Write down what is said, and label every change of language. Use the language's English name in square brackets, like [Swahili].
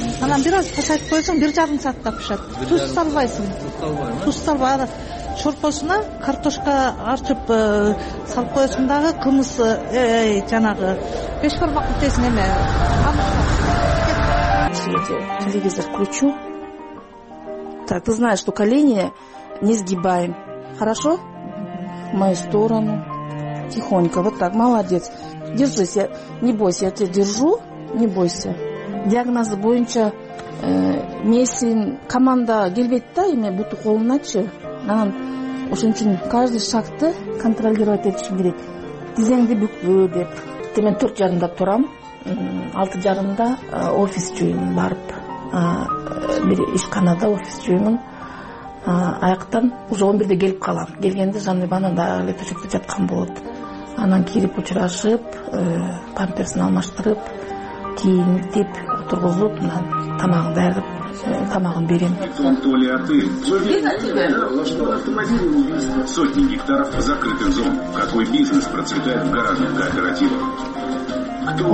[Kyrgyz] Анан бир аз пасайып коесуң, 1.5 саатта пышат. Туз салбайсың. Туз салбай. Шорпосуна картошка арчып салып коесуң дагы кымыз жанагы беш бармак битесин эме. [Russian] Телевизор включу. Так, ты знаешь, что колени не сгибаем. Хорошо? В мою сторону. Тихонько, вот так, молодец. Держись, не бойся, я тебя держу, не бойся. [Kyrgyz] Диагноз боюнча мен команда келбейт да, эми буту колуначы. Анан ошон үчүн [Russian] каждый [Kyrgyz] шагты [Russian] контролировать [Kyrgyz] этишим керек. Тизеңди бүкпө деп. Мен 4:30 турам, 6:30 офис жүйүмүн барып, бир ишканада офис жүйүмүн. Аяктан уже 11:00 келип калам. Келгенде Жаныбана дагы эле төшөктө жаткан болот. Анан кирип учурашып, памперсин алмаштырып, кийинтип, отургузуп, анан тамагын даярдап, тамагын берем. [Russian] Анатолий, а ты? Сотни гектаров закрытых зон. Какой бизнес процветает в гаражных кооперативах?